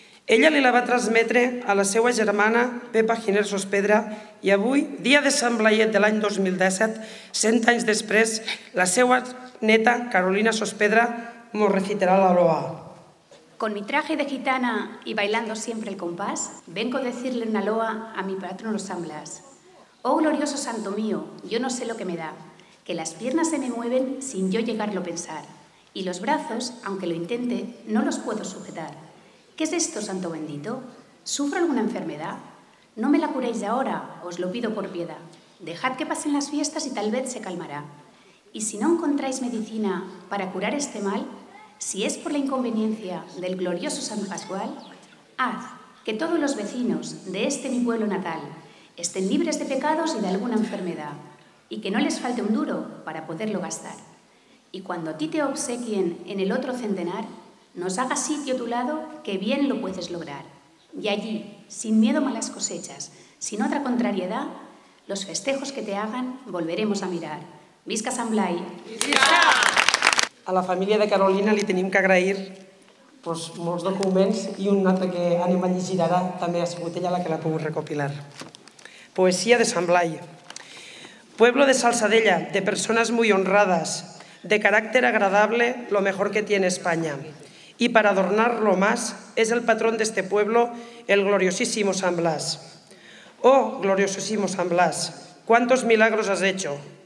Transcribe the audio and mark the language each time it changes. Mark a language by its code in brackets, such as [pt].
[ca] Ella li la va transmetre a la seva germana, Pepa Giner Sospedra, i avui, dia de Sant Blaiet de l'any 2017, 100 anys després, la seva neta, Carolina Sospedra, m'ho recitarà la loa. [es] Con mi traje de gitana y bailando siempre el compás, vengo a decirle una loa a mi patrón los San Blas. Oh, glorioso santo mío, yo no sé lo que me da, que las piernas se me mueven sin yo llegarlo a pensar, y los brazos, aunque lo intente, no los puedo sujetar. ¿Qué es esto, santo bendito? ¿Sufro alguna enfermedad? No me la curéis de ahora, os lo pido por piedad. Dejad que pasen las fiestas y tal vez se calmará. Y si no encontráis medicina para curar este mal, si es por la inconveniencia del glorioso San Pascual, haz que todos los vecinos de este mi pueblo natal estén libres de pecados y de alguna enfermedad, y que no les falte un duro para poderlo gastar. Y cuando a ti te obsequien en el otro centenar, nos haga sitio a tu lado, que bien lo puedes lograr. Y allí, sin miedo a malas cosechas, sin otra contrariedad, los festejos que te hagan volveremos a mirar. [ca] ¡Visca San Blai! A la família de Carolina li tenim que agrair pues, molts documents i un altre que anem a llegir ara també ha sigut ella la que l'ha pogut recopilar. Poesia de San Blai. [es] Pueblo de Salzadella, de persones muy honradas, de caràcter agradable, lo mejor que tiene España. Y para adornarlo más, es el patrón de este pueblo, el gloriosísimo San Blas. Oh, gloriosísimo San Blas, ¿cuántos milagros has hecho?